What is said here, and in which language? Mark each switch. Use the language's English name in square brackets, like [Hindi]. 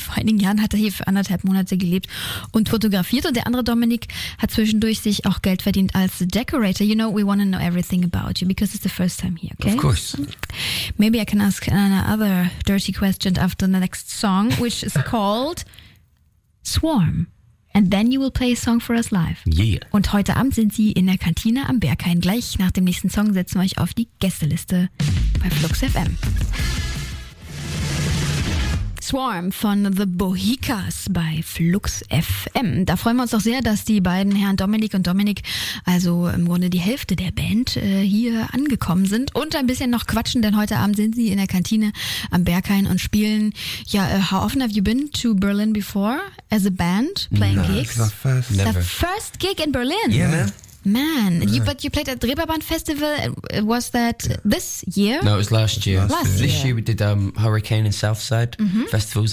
[German] Vor einigen Jahren hat er hier für anderthalb Monate gelebt und fotografiert. Und der andere Dominik hat zwischendurch sich auch Geld verdient als Decorator. [English] You know, we want to know everything about you because it's the first time here, okay? Of course. Maybe I can ask another dirty question after the next song, which is called Swarm. And then you will play a song for us live. Yeah. [German] Und heute Abend sind Sie in der Kantine am Berghain. Gleich nach dem nächsten Song setzen wir euch auf die Gästeliste bei Flux FM. Swarm von The Bohicas bei Flux FM. Da freuen wir uns doch sehr, dass die beiden Herren Dominik und Dominik, also im Grunde die Hälfte der Band, hier angekommen sind und ein bisschen noch quatschen, denn heute Abend sind sie in der Kantine am Berghain und spielen. [English] Ja, how often have you been to Berlin before as a band playing gigs? It's the first gig in Berlin. Yeah, man. But you played at Dreberband Festival. Was that this year? No, it was last year. Last year. This year we did Hurricane and Southside festivals.